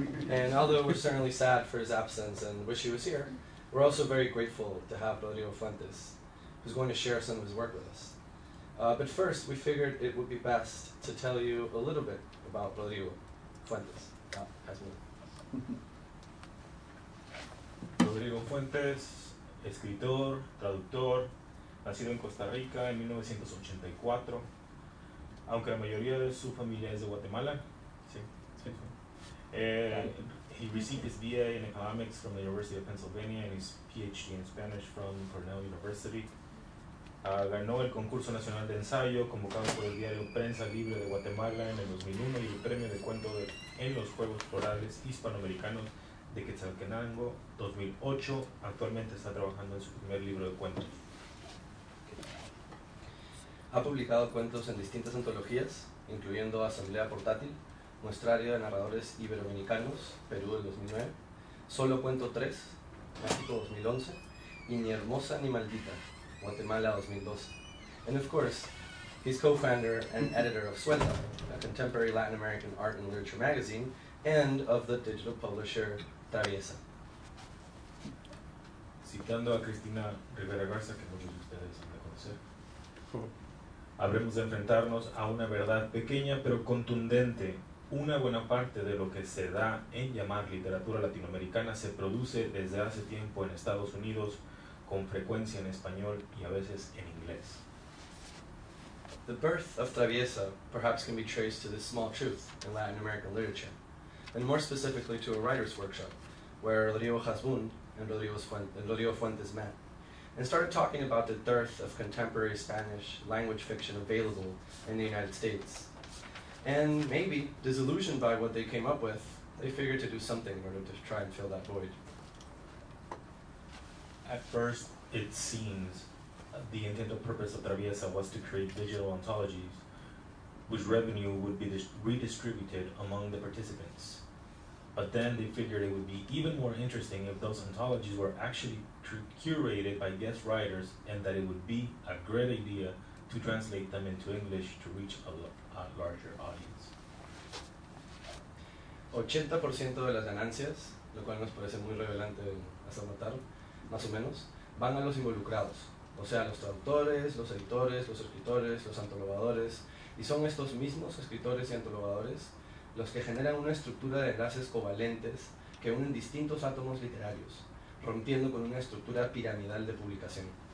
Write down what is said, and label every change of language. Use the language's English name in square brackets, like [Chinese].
[English] And although we're certainly sad for his absence and wish he was here, we're also very grateful to have Rodrigo Fuentes, who's going to share some of his work with us. But first, we figured it would be best to tell you a little bit about Rodrigo Fuentes. [Spanish] Rodrigo Fuentes, escritor, traductor, nacido en Costa Rica en 1984, aunque la mayoría de su familia es de Guatemala. [English] He received his BA in economics from the University of Pennsylvania and his PhD in Spanish from Cornell University. [Spanish] Ganó el concurso nacional de ensayo convocado por el diario Prensa Libre de Guatemala en el 2001 y el premio de cuento en los Juegos Florales Hispanoamericanos de Quetzaltenango 2008. Actualmente está trabajando en su primer libro de cuentos. Ha publicado cuentos en distintas antologías, incluyendo Asamblea Portátil, Muestrario de Narradores Iberoamericanos, Perú del 2009, Solo Cuento 3, México 2011, y Ni Hermosa Ni Maldita, Guatemala 2012. [English] And of course, he's co-founder and editor of Sueta, a contemporary Latin American art and literature magazine, and of the digital publisher Traviesa. [Spanish] Citando a Cristina Rivera Garza, que muchos de ustedes han de conocer, habremos de enfrentarnos a una verdad pequeña pero contundente. Una buena parte de lo que se da en llamar literatura latinoamericana se produce desde hace tiempo en Estados Unidos, con frecuencia en español y a veces en inglés. [English] The birth of Traviesa perhaps can be traced to this small truth in Latin American literature, and more specifically to a writer's workshop where Rodrigo Hasbun and Rodrigo Fuentes met and started talking about the dearth of contemporary Spanish language fiction available in the United States. And maybe, disillusioned by what they came up with, they figured to do something in order to try and fill that void. At first, it seems the intent or purpose of Traviesa was to create digital anthologies whose revenue would be redistributed among the participants. But then they figured it would be even more interesting if those anthologies were actually curated by guest writers and that it would be a great idea to translate them into English to reach a larger audience. [Spanish] 80% de las ganancias, lo cual nos parece muy revelante hasta matar, más o menos, van a los involucrados, o sea, los traductores, los editores, los escritores, los antologadores, y son estos mismos escritores y antologadores los que generan una estructura de enlaces covalentes que unen distintos átomos literarios, rompiendo con una estructura piramidal de publicación.